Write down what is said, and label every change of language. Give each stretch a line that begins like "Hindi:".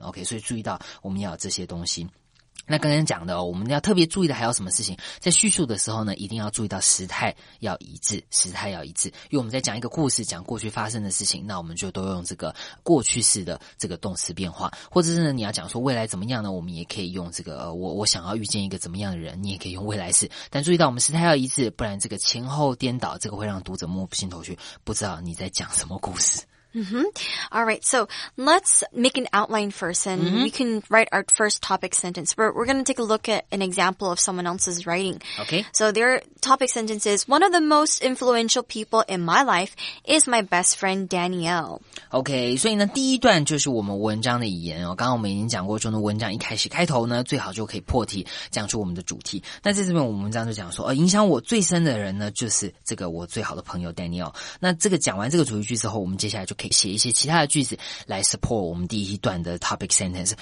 Chinese: OK, 所以注意到我们要有这些东西。那刚才讲的、哦、我们要特别注意的还有什么事情，在叙述的时候呢一定要注意到时态要一致，时态要一致，因为我们在讲一个故事，讲过去发生的事情，那我们就都用这个过去式的这个动词变化，或者是呢你要讲说未来怎么样呢，我们也可以用这个我想要遇见一个怎么样的人，你也可以用未来式，但注意到我们时态要一致，不然这个前后颠倒，这个会让读者摸不清头绪，不知道你在讲什么故事。 Mm-hmm.
English: All right, so let's make an outline first, and we can write our first topic sentence. We're going to take a look at an example of someone else's writing. Okay. So their topic sentence is, one of the most influential people in my life is my best friend, Danielle.
Chinese: Okay, 所以呢第一段就是我们文章的语言哦。刚刚我们已经讲过中的文章一开始开头呢最好就可以破题讲出我们的主题。那在这边我们文章就讲说影响我最深的人呢就是这个我最好的朋友 Danielle。那这个讲完这个主题句之后，我们接下来就可以写一些其他的句子来 support 我们第一段的 topic sentence。